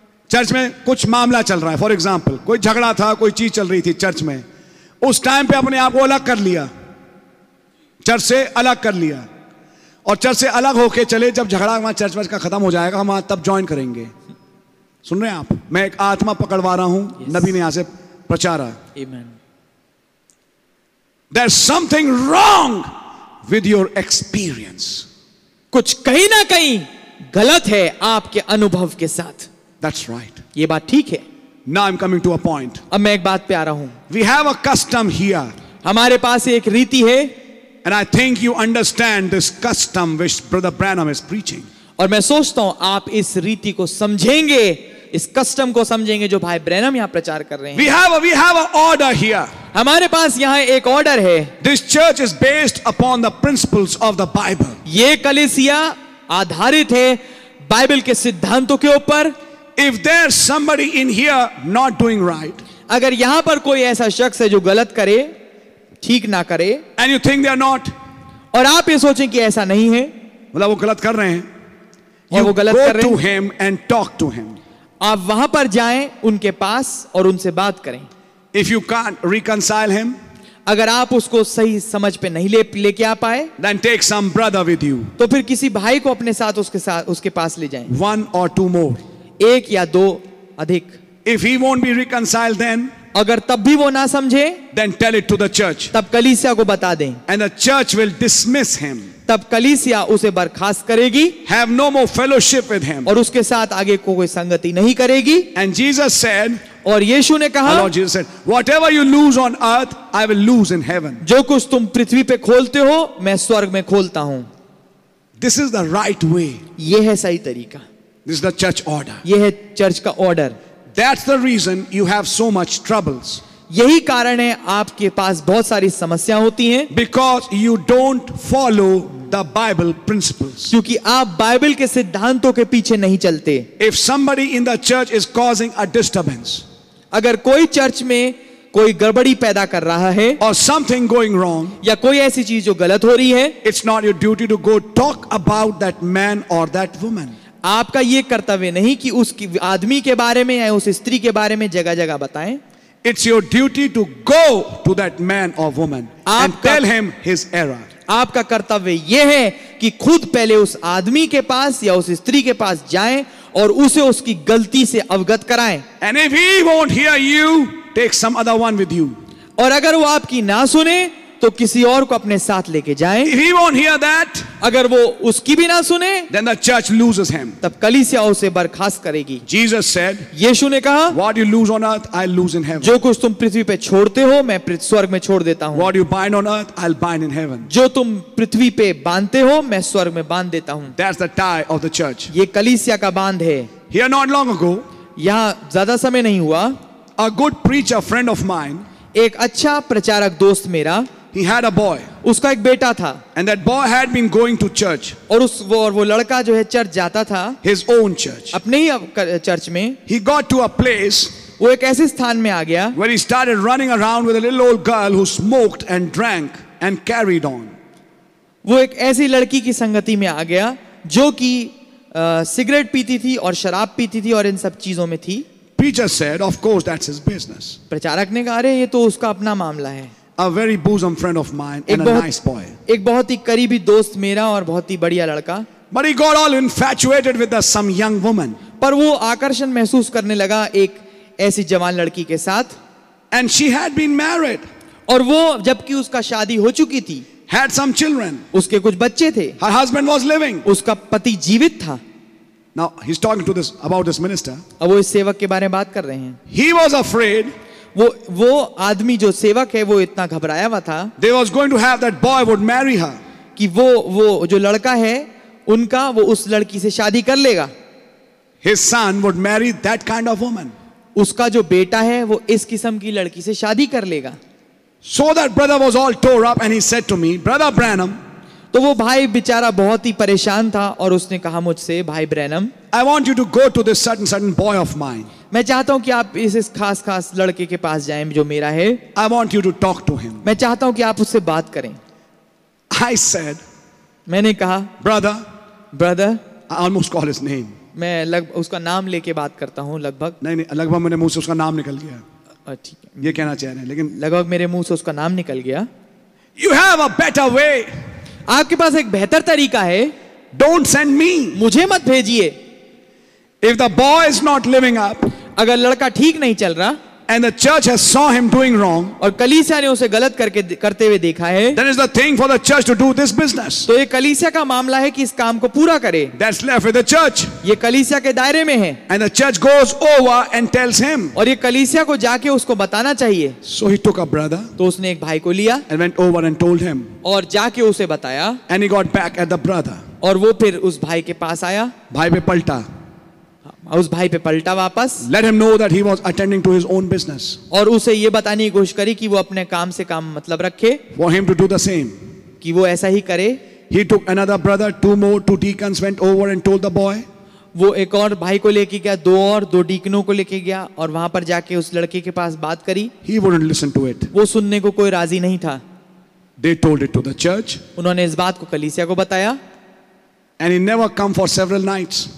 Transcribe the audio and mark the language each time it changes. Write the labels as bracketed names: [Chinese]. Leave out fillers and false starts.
[Hindi] Church में कुछ मामला चल रहा है, फॉर एग्जाम्पल कोई झगड़ा था, कोई चीज चल रही थी चर्च में, उस टाइम पे अपने आप को अलग कर लिया, चर्च से अलग कर लिया, और चर्च से अलग होके चले. जब झगड़ा वहां चर्च वर्च का खत्म हो जाएगा, हम वहां तब ज्वाइन करेंगे. सुन रहे हैं आप, मैं एक आत्मा पकड़वा रहा हूं. [English] yes. [Hindi] नबी ने यहां से प्रचारा. [English] Amen. There's something wrong with your experience. [Hindi] कुछ कहीं ना कहीं गलत है आपके अनुभव के साथ. [English] That's right. [Hindi] ये बात ठीक है. [English] Now I'm coming to a point. [Hindi] अब मैं एक बात पे आ रहा हूं. [English] We have a custom here. [Hindi] हमारे पास एक रीति है. [English] And I think you understand this custom which Brother Branham is preaching. [Hindi] और मैं सोचता हूं आप इस रीति को समझेंगे, इस कस्टम को समझेंगे जो भाई ब्रैनम यहां प्रचार कर रहे हैं. [English] We have a order here. [Hindi] हमारे पास यहां एक ऑर्डर है. [English] This church is based upon the principles of the Bible. [Hindi] ये कलीसिया आधारित है बाइबल के सिद्धांतों के ऊपर. [English] If there's somebody in here not doing right, [Hindi] अगर यहां पर कोई ऐसा शख्स है जो गलत करे, ठीक ना करे, [English] and you think they are not, [Hindi] और आप ये सोचें कि ऐसा नहीं है, मतलब वो गलत कर रहे हैं, वो गलत कर रहे हैं, [English] go to him and talk to him. [Hindi] आप वहां पर जाएं उनके पास और उनसे बात करें. [English] If you can't reconcile him, [Hindi] अगर आप उसको सही समझ पे नहीं लेके आ पाए, [English] then take some brother with you, [Hindi] तो फिर किसी भाई को अपने साथ उसके पास ले जाएं. [English] One or two more, [Hindi] एक या दो अधिक. [English] If he won't be reconciled then, [Hindi] अगर तब भी वो ना समझे, [English] then tell it to the church, [Hindi] तब कलीसिया को बता दें. [English] And the church will dismiss him, [Hindi] तब कलीसिया उसे बर्खास्त करेगी. [English] Have no more fellowship with him, [Hindi] और उसके साथ आगे कोई संगति नहीं करेगी. [English] And Jesus said, [Hindi] और यीशु ने कहा, [English] Lord Jesus said, whatever you lose on earth, I will lose in heaven. [Hindi] जो कुछ तुम पृथ्वी पे खोलते हो, मैं स्वर्ग में खोलता हूं. [English] This is the right way. [Hindi] ये है सही तरीका. [English] This is the church order. [Hindi] ये है चर्च का order. [English] That's the reason you have so much troubles. [Hindi] यही कारण है आपके पास बहुत सारी समस्याएं होती हैं, [English] Because you don't follow the Bible principles. [Hindi] क्योंकि आप बाइबल के सिद्धांतों के पीछे नहीं चलते. [English] if somebody in the church is causing a disturbance, [Hindi] अगर कोई चर्च में कोई गड़बड़ी पैदा कर रहा है [English] और something going wrong, [Hindi] या कोई ऐसी चीज जो गलत हो रही है, [English] It's not your duty to go talk about that man और that woman. [Hindi] आपका ये कर्तव्य नहीं कि उस आदमी के बारे में या उस स्त्री के बारे में जगह जगह बताएं. [English] It's your duty to go to that man और woman and tell him his error. [Hindi] आपका कर्तव्य यह है कि खुद पहले उस आदमी के पास या उस स्त्री के पास जाएं और उसे उसकी गलती से अवगत कराएं. [English] And if he won't hear you, take some other one with you. [Hindi] और अगर वो आपकी ना सुने तो किसी और को अपने साथ लेके जाए. [English] If he won't hear that, [Hindi] अगर वो उसकी भी ना सुने, [English] then the church loses him. [Hindi] तब कलीसिया उसे बर्खास्त करेगी. [English] Jesus said, [Hindi] यीशु ने कहा, [English] What you lose on earth, I'll lose in heaven. [Hindi] जो कुछ तुम पृथ्वी पे छोड़ते हो, मैं स्वर्ग में छोड़ देता हूँ. [English] What you bind on earth, I'll bind in heaven. [Hindi] जो तुम पृथ्वी पे बांधते हो, मैं स्वर्ग में बांध देता हूँ. [English] That's the tie of the church. [Hindi] ये कलीसिया का बांध है. [English] Here not long ago, [Hindi] यहाँ ज्यादा समय नहीं हुआ, [English] a good preacher friend of mine, [Hindi] एक अच्छा प्रचारक दोस्त मेरा, [English] He had a boy. [Hindi] उसका एक बेटा था. [English] And that boy had been going to church. [Hindi] और उस वो लड़का जो है चर्च जाता था. [English] His own church. [Hindi] अपने ही चर्च में. [English] He got to a place. [Hindi] वो एक ऐसे स्थान में आ गया. [English] Where he started running around with a little old girl who smoked and drank and carried on. [Hindi] वो एक ऐसी लड़की की संगति में आ गया जो कि सिगरेट पीती थी और शराब पीती थी और इन सब चीजों में थी. [English] Preacher said, "Of course, that's his business." [Hindi] प्रचारक ने कहा, अरे ये तो उसका अपना मामला है. [English] A very bosom friend of mine and a nice boy. [Hindi] एक बहुत ही करीबी दोस्त मेरा और बहुत ही बढ़िया लड़का. [English] But he got all infatuated with some young woman. [Hindi] पर वो आकर्षण महसूस करने लगा एक ऐसी जवान लड़की के साथ. [English] And she had been married. [Hindi] और वो जबकि उसका शादी हो चुकी थी. [English] Had some children. [Hindi] उसके कुछ बच्चे थे. [English] Her husband was living. [Hindi] उसका पति जीवित था. [English] Now he's talking to this about this minister. [Hindi] अब वो इस सेवक के बारे में बात कर रहे हैं. [English] He was afraid. [Hindi] वो आदमी जो सेवक है वो इतना घबराया हुआ था. [English] They was going to have that boy would marry her. [Hindi] कि वो जो लड़का है उनका वो उस लड़की से शादी कर लेगा. [English] His son would marry that kind of woman. [Hindi] उसका जो बेटा है वो इस किस्म की लड़की से शादी कर लेगा. [English] So that brother was all tore up and he said to me, Brother Branham. [Hindi] तो वो भाई बेचारा बहुत ही परेशान था और उसने कहा मुझसे, भाई Branham, [English] I want you to go to this certain boy of mine. [Hindi] मैं चाहता हूं कि आप इस खास लड़के के पास जाएं जो मेरा है. [English] I want you to talk to him. [Hindi] मैं चाहता हूं कि आप उससे बात करें. [English] I said, [Hindi] मैंने कहा, [English] brother, I almost call his name. [Hindi] मैं उसका नाम लेके बात करता हूं लगभग. नहीं नहीं, लगभग मेरे मुंह से उसका नाम निकल गया. ठीक है, ये कहना चाह रहे हैं लेकिन लगभग मेरे मुंह से उसका नाम निकल गया. [English] You have a better way. [Hindi] आपके पास एक बेहतर तरीका है. [English] Don't send me. [Hindi] मुझे मत भेजिए. [English] If the boy is not living up. [Hindi] अगर लड़का ठीक नहीं चल रहा. [English] And the church has saw him doing wrong. [Hindi] और कलीसिया ने उसे गलत करते हुए देखा है. [English] Then is the thing for the church to do this business. [Hindi] तो ये कलीसिया का मामला है कि इस काम को पूरा करे. [English] That's left with the church. [Hindi] ये कलीसिया के दायरे में है. [English] And the church goes over and tells him. [Hindi] और ये कलीसिया को जाके उसको बताना चाहिए. [English] So he took a brother. [Hindi] तो उसने एक भाई को लिया. [English] And went over and told him. [Hindi] और जाके उसे बताया. [English] And he got back at the brother. [Hindi] और वो फिर उस भाई के पास आया. भाई पे पलटा. उस भाई पे पलटा वापस. [English] Let him know that he was attending to his own business. [Hindi] और उसे ये बताने की कोशिश करी कि वो अपने काम से काम मतलब रखे. [English] For him to do the same. [Hindi] कि वो ऐसा ही करे. [English] He took another brother, two deacons went over and told the boy. [Hindi] वो एक और भाई को लेके गया, दो और दो डीकनों को लेके गया और वहां पर जाके उस लड़के के पास बात करी. [English] He wouldn't listen to it. [Hindi] वो सुनने को कोई राजी नहीं था. [English] They told it to the church. [Hindi] उन्होंने इस बात को कलीसिया को बताया. [English] And he never come for several nights.